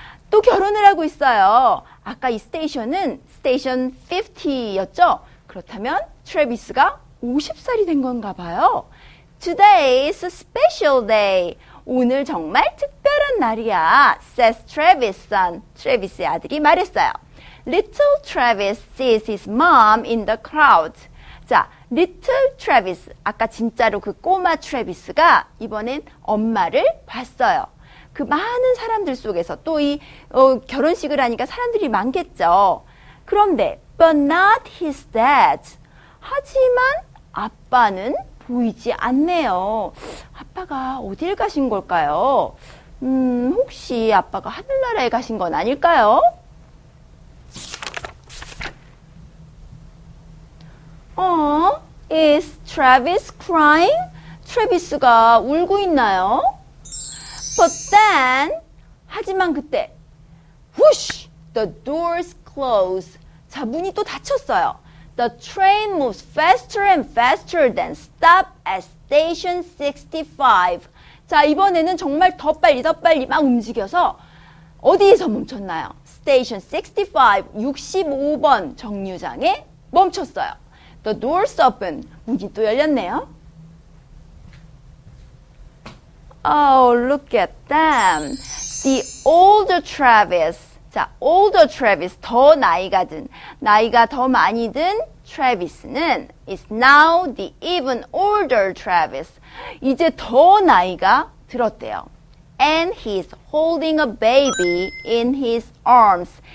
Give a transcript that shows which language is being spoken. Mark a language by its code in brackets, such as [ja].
[ko] 또 결혼을 하고 있어요. 아까 이 스테이션은 스테이션 50였죠? 그렇다면 Travis가 50살이 된 건가 봐요. [en] Today is a special day. [ko] 오늘 정말 특별한 날이야. [en] Says Travis' son. [ko] Travis의 아들이 말했어요. [en] Little Travis sees his mom in the crowd. [ko] 자, Little Travis. 아까 진짜로 그 꼬마 Travis가 이번엔 엄마를 봤어요. 그 많은 사람들 속에서 또 이 결혼식을 하니까 사람들이 많겠죠. 그런데 [en] but not his dad. [ko] 하지만 아빠는 보이지 않네요. 아빠가 어딜 가신 걸까요? 혹시 아빠가 하늘나라에 가신 건 아닐까요? [en] 어? Is Travis crying? [ko] 트래비스가 울고 있나요? [en] But then, [ko] 하지만 그때, [en] whoosh! The doors close. [ko] 자, 문이 또 닫혔어요. [en] The train moves faster and faster than stop at station 65. [ko] 자, 이번에는 정말 더 빨리 더 빨리 막 움직여서 어디에서 멈췄나요? [en] Station 65, [ko] 65번 정류장에 멈췄어요. [en] The doors open. [ko] 문이 또 열렸네요. [en] Oh, look at them. The older Travis. [ko] 자, [en] older Travis. [ko] 더 나이가 든. 나이가 더 많이 든 Travis는 [en] is now the even older Travis. [ko] 이제 더 나이가 들었대요. [en] And he's holding a baby in his arms.